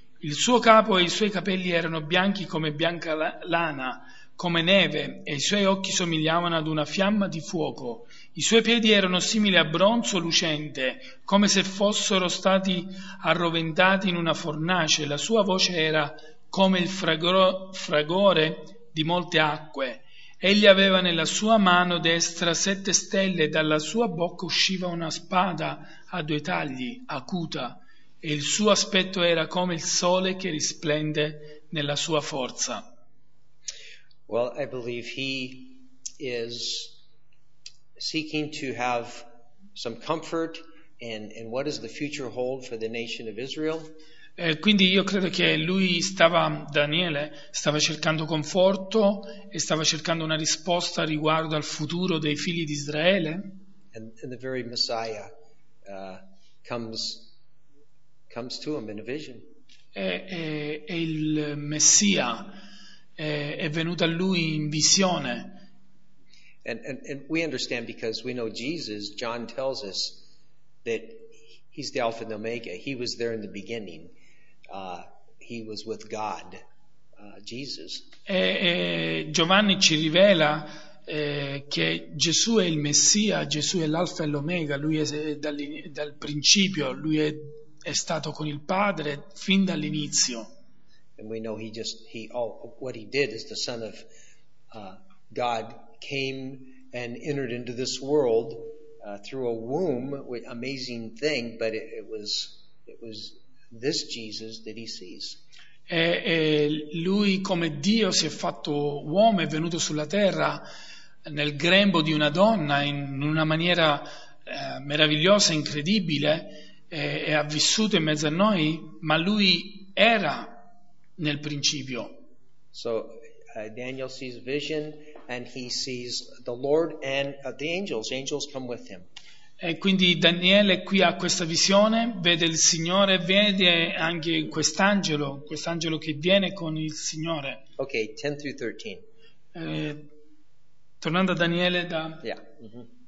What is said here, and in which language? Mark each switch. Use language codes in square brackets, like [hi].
[it] il suo capo e i suoi capelli erano bianchi come bianca lana come neve e i suoi occhi somigliavano ad una fiamma di fuoco, i suoi piedi erano simili a bronzo lucente come se fossero stati arroventati in una fornace, la sua voce era come il fragore di molte acque Egli aveva nella sua mano destra 7 stelle, e dalla sua bocca usciva una spada a 2 tagli, acuta, e il suo aspetto era come il sole che risplende nella sua forza. [en] Well, I believe he is seeking to have some comfort in what does the future hold for the nation of Israel. [it] Quindi io credo che lui stava, Daniele, stava cercando conforto e stava cercando una risposta riguardo al futuro dei figli di Israele. [en] And the very Messiah comes to him in a vision. [it] E il Messia è venuto a lui in visione. [en] And we understand because we know Jesus, John tells us that he's the Alpha and the Omega, he was there in the beginning. He was with God, Jesus. [it] E Giovanni ci rivela che Gesù è il Messia, Gesù è l'Alfa e l'Omega, lui è dal principio, lui è stato con il Padre fin dall'inizio. [en] And we know what he did is the Son of God came and entered into this world through a womb, amazing thing, but it was this Jesus that he sees. [it] E lui come Dio si è fatto uomo, è venuto sulla terra nel grembo di una donna in una maniera meravigliosa, incredibile, e ha vissuto in mezzo a noi, ma lui era nel principio. [en] So Daniel sees vision and he sees the Lord and the angels. Angels come with him. [it] E quindi Daniele qui ha questa visione, vede il Signore, vede anche quest'angelo che viene con il Signore. [en] Ok, 10 through 13. [it] Tornando a Daniele da, [en] yeah. Mm-hmm.